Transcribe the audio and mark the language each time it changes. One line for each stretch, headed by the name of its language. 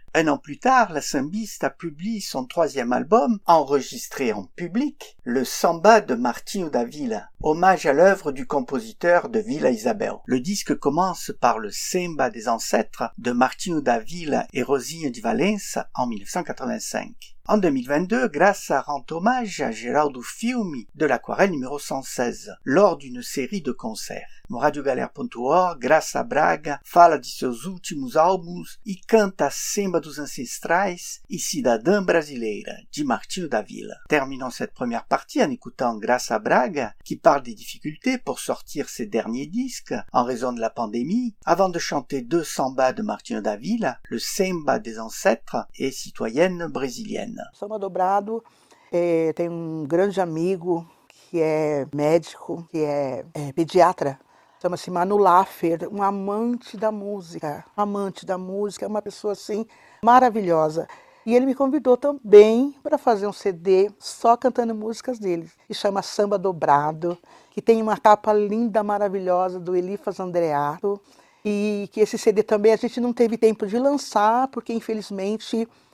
French: Un an plus tard, la sambista publie son troisième album, enregistré en public, Le Samba de Martinho da Vila, hommage à l'œuvre du compositeur de Vila Isabel. Le disque commence par le Samba des ancêtres de Martinho da Vila et Rosinha de Valença en 1985. En 2022, Graça rend hommage à Geraldo Filme de l'Aquarelle numéro 116 lors d'une série de concerts.
Portuguese: No radiogaler.org, Graça Braga fala de seus últimos álbuns e canta Samba dos Ancestrais e Cidadã Brasileira, de Martinho da Vila.
French: Terminons cette première partie en écoutant Graça Braga, qui parle des difficultés pour sortir ses derniers disques en raison de la pandémie, avant de chanter deux sambas de Martinho da Vila, le Samba des Ancêtres et Citoyenne Brésilienne.
Portuguese: Samba Dobrado tem um grande amigo que é médico, que é pediatra, chama-se Manu Laffer, um amante da música, é uma pessoa assim maravilhosa. E ele me convidou também para fazer um CD só cantando músicas dele, que chama Samba Dobrado, que tem uma capa linda, maravilhosa, do Elifas Andreato, e que esse CD também a gente não teve tempo de lançar, porque infelizmente...